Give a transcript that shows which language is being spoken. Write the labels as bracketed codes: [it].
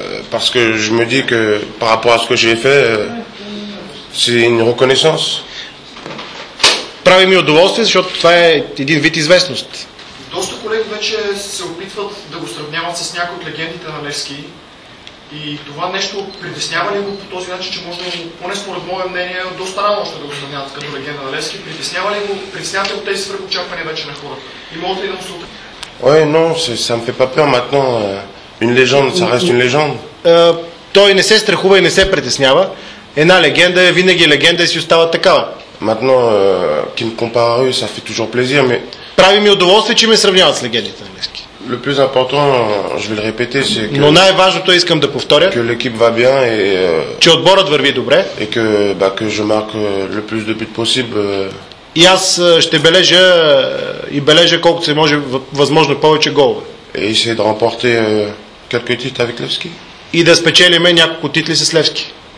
[fr] Parce que je me dis que par rapport à ce que j'ai fait, c'est une reconnaissance. [bg] Прави ми удоволствие, защото това е един вид известност. Доста колеги вече се опитват да го сравняват с някои от легендите на Левски. И това нещо притеснява ли го по този начин, че може да го, поне според мое мнение, доста рано още да го сравняват като легенда на Левски? Притеснява ли го, притеснявате ли от тези свръхочаквания вече на хората? И могат ли да му се опитат? [fr] Ой, но, ça me fait pas peur maintenant. Une légende, ça reste une légende. [bg] Той не се страхува и не се притеснява. Една легенда е винаги легенда и си остава такава. [fr] Maintenant, qui me compare à eux, ça fait toujours plaisir, mais... [bg] Прави ми удоволствие, че ме сравняват с легендите на Левски. [fr] Le plus important, je vais le répéter, c'est que... [bg] Но най-важното искам да повторя. [fr] Que l'équipe va bien et... [bg] Че отборът върви добре. [fr] Et que, que je marque le plus de buts possible. [bg] И аз ще бележа и бележа колкото се може възможно повече голове. [fr] Et essayer de remporter quelques titres avec Levski. [bg] И да спечелиме няколко титли с Левски.